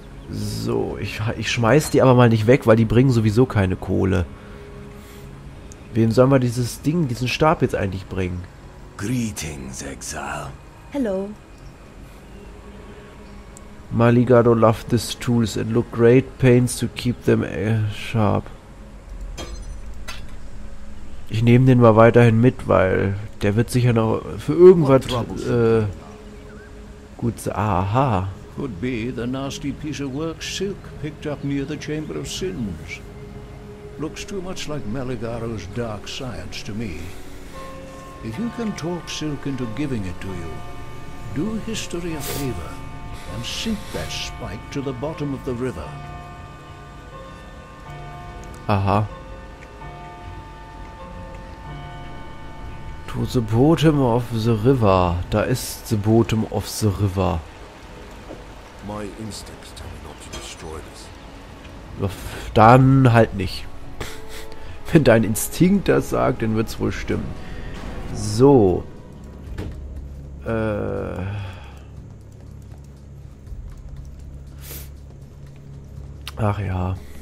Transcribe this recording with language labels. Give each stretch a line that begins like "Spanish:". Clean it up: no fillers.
German: So, ich schmeiß die aber mal nicht weg, weil die bringen sowieso keine Kohle. Wem sollen wir dieses Ding, diesen Stab jetzt eigentlich bringen?
English: Greetings, Exile. Hello. Maligado loved these tools and look great pains to keep them sharp.
German: Ich nehme den mal weiterhin mit, weil der wird sicher noch für irgendwas gut. Aha.
English: Could be the nasty piece of work Silk picked up near the Chamber of Sins. Looks too much like Maligaro's dark science to me. If you can talk Silk into giving it to you, do history a favor and sink that spike to the bottom of the river. Aha. To the bottom of the river.
German: Da ist
English: the bottom of the river. My instincts tell me not to destroy this.
German: Dann halt nicht. Wenn dein Instinkt das sagt, dann wird's wohl stimmen. So. Ach ja.